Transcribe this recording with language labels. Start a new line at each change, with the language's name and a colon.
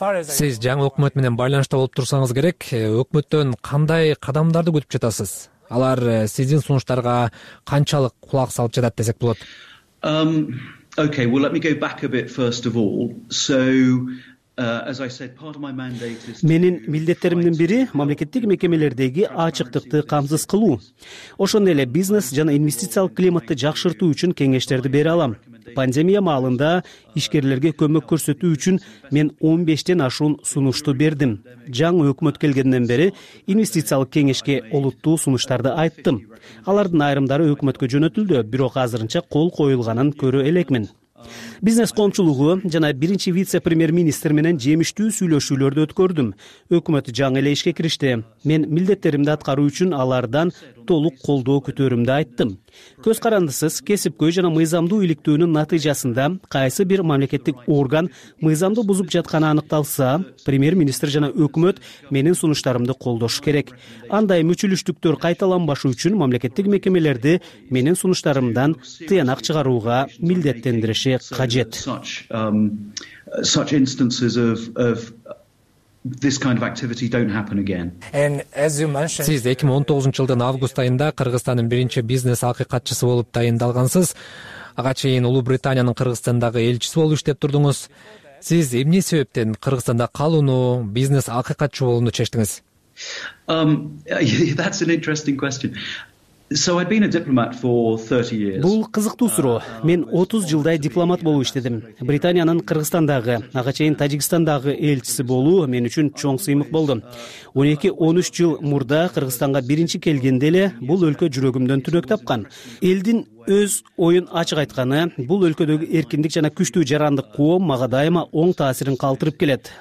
Kyrgyz: Сиз жаңы өкмөт менен байланышта болуп турсаңыз керек, өкмөттөн кандай кадамдарды күтүп жатасыз? Алар сиздин сунуштарга канчалык кулак салып жатат десек болот?
English: Let me go back a bit first of all. As I said, part of my mandate is
Kyrgyz: менин милдеттеримдин бири мамлекеттик мекемелердеги ачыктыкты камсыз кылуу. Ошондой эле бизнес жана инвестициялык климатты жакшыртуу үчүн кеңештерди бере алам. Пандемия маалында ишкерлерге көмөк көрсөтүү үчүн мен 15'ден ашуун сунушту бердим. Жаңы өкмөт келгенден бери инвестициялык кеңешке олуттуу сунуштарды айттым. Алардын айрымдары өкмөткө жөнөтүлдү, бирок азырынча кол коюлганын көрө элекмин. Бизнес коомчулугу жана биринчи вице-премьер-министр менен жемиштүү сүйлөшүүлөрдү өткөрдүм. Өкмөт жаңы эле ишке киришти. Мен милдеттеримди аткаруу үчүн алардан толук колдоо күтөрүмдү айттым. Көз карандысыз, кесипкөй жана мыйзамдуу иликтөөнүн натыйжасында кайсы бир мамлекеттик орган мыйзамды бузуп жатканы аныкталса, премьер-министр жана өкмөт менин сунуштарымды колдош керек. Андай мүчүлүштүктөр кайталанбашы үчүн мамлекеттик мекемелерди менин сунуштарымдан тыянак чыгарууга милдеттендириши кажет.
English: This kind of activity don't happen again. And as you mentioned,
Kyrgyz: сиз 2019 жылдын август айында Кыргызстандын биринчи бизнес акыйкатчысы болуп дайындалгансыз. Ага чейин Улуу Британиянын Кыргызстандагы элчиси болуп иштеп турдуңуз. Сиз эмне себептен Кыргызстанда калууну, бизнес акыйкатчы болууну чечтиңиз?
English: That's an interesting question. So I've been a diplomat for 30 years.
Kyrgyz: Бул кызыктуу суроо. Мен 30 жылдай дипломат болуп иштедим. Британиянын Кыргызстандагы, ага чейин Тажикстандагы элчиси болуу мен үчүн чоң сыймык болду. 12-13 жыл мурда Кыргызстанга биринчи келгенде эле бул өлкө жүрөгүмдөн түнөк тапкан. Элдин өз оюн ачык айтканы, бул өлкөдөгү эркиндик жана күчтүү жарандык коом мага дайыма оң таасирин калтырып келет.